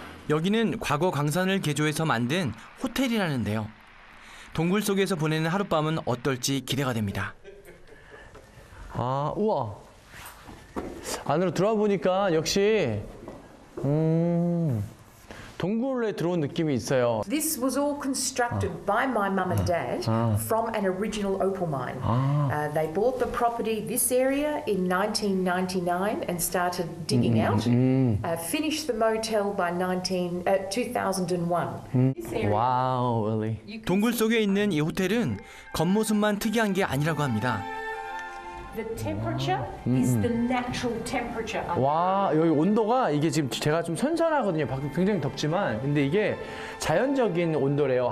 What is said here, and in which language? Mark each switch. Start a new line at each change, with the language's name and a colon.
Korean: 여기는 과거 광산을 개조해서 만든 호텔이라는데요. 동굴 속에서 보내는 하룻밤은 어떨지 기대가 됩니다. 아, 우와. 안으로 들어와 보니까 역시 동굴에 들어온 느낌이 있어요.
English: This was all constructed by my mum and dad from an original opal mine. They bought the property, this area, in 1999 and started digging out. Finished the motel by 2001. Wow, really.
Korean: 동굴 속에 있는 이 호텔은 겉모습만 특이한 게 아니라고 합니다.
English: The temperature is the natural temperature.
Korean: 와, 여기 온도가 이게 지금 제가 좀 선선하거든요. 밖에 굉장히 덥지만 근데 이게 자연적인 온도래요.